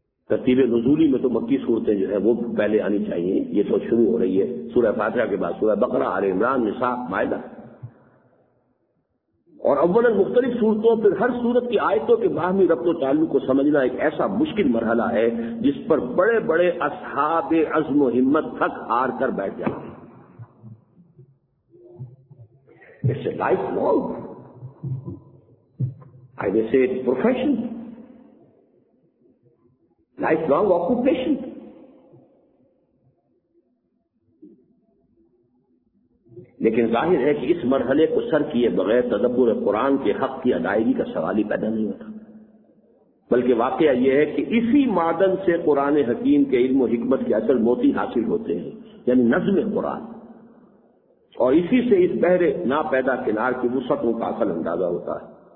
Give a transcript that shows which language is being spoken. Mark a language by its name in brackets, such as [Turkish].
[Urdu] ترتیب نزولی میں تو مکی صورتیں جو ہیں وہ پہلے آنی چاہیے، یہ تو شروع ہو رہی ہے سورہ فاتحہ کے بعد، سورہ بقرہ، آل عمران، نساء، مائدہ. اور اولا مختلف صورتوں، پھر ہر صورت کی آیتوں کے باہمی ربط و تعلق کو سمجھنا ایک ایسا مشکل مرحلہ ہے جس پر بڑے بڑے اصحاب عزم و ہمت تھک ہار کر بیٹھ جائیں. [English] It's a life long, I may say it's profession, life long occupation. [Urdu] لیکن ظاہر ہے کہ اس مرحلے کو سر کیے بغیر تدبر قرآن کے حق کی ادائیگی کا سوال ہی پیدا نہیں ہوتا، بلکہ واقعہ یہ ہے کہ اسی معدن سے قرآن حکیم کے علم و حکمت کے اصل موتی حاصل ہوتے ہیں، یعنی نظم قرآن، اور اسی سے اس بحر نا پیدا کنار کی وسعتوں کا اصل اندازہ ہوتا ہے.